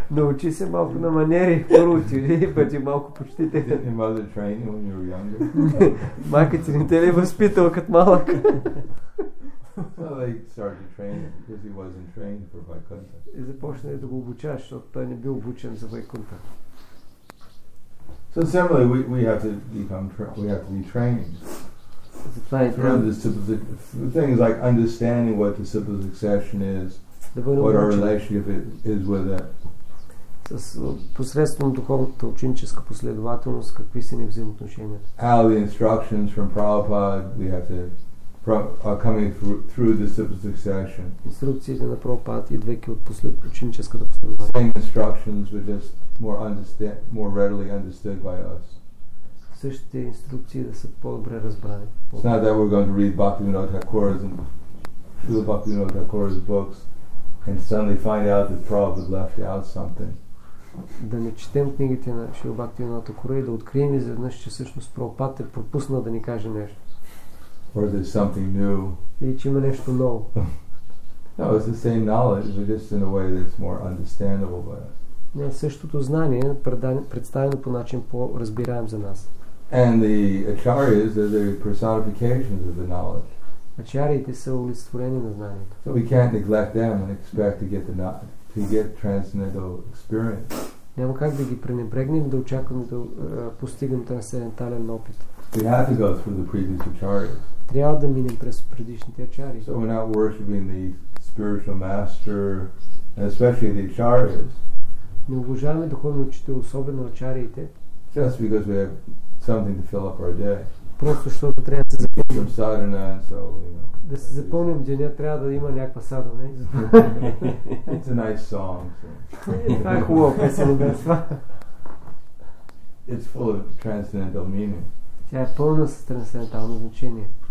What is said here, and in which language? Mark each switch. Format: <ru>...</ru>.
<bg>Научи се малко на манери, първо ти бъди малко почтителен.</bg> <en>Didn't your mother train you when you were younger?</en> <bg>Майка ти не те ли възпитал като малък?</bg> <en>So they started to train him because he wasn't trained for Vaikuntha.</en> <bg>И започнали да го обучават, защото той не бил обучен за Вайкунта.</bg> <en>So similarly, we have to be trained. The things like understanding what the simple succession is, what our relationship is with it.</en> <bg>Посредством духовната ученическа последователност, какви са ни взаимоотношения.</bg> <en>How the instructions from Prabhupada we have to are coming through the simple succession.</en> <bg>Инструкциите на Прабхупад идвайки от ученическата последователност.</bg> <en>Same instructions were just more readily understood by us.</en> <bg>Същите инструкции да са по-добре разбрани.</bg> <en>It's not that we're going to read Bhaktivinoda Thakura's and Srila Bhaktivinoda Thakura's books and suddenly find out that Prabhupada left out something.</en> <bg>Да не четем книгите на Шрила Бхактивинода Такура и да открием изведнъж, че всъщност Прабхупад е пропуснал да ни каже нещо.</bg> <en>Or there's something new.</en> <bg>Или че има нещо ново.</bg> <en>No, it's the same knowledge, but just in a way that's more understandable by us.</en> <bg>Не, същото знание представено по начин по-разбираем за нас.</bg> <en>And the acharyas are the personifications of the knowledge.</en> <bg>Ачарите са олицетворение на знанието.</bg> <en>So we can't neglect them and expect to get transcendental experience.</en> <bg>Няма как да ги пренебрегнем, да очакваме да постигнем трансцендентален опит.</bg> <en>We have to go through the previous acharyas.</en> <bg>Трябва да минем през предишните ачари.</bg> <en>So we're not worshiping the spiritual master, especially the acharyas.</en> <bg>Не уважаваме духовни учители, особено ачариите.</bg> <en>Just because we have something to fill up our day.</en> <bg>Просто защото трябва да се запълним.</bg> <en>Садана, so, you know,</en> <bg>да се запълним деня, трябва да има някаква садана.</bg> <en>It's a nice song.</en> <bg>Това е хубава песен.</bg> <en>It's full of transcendental meaning.</en> <bg>Тя е пълна с трансцендентално значение.</bg>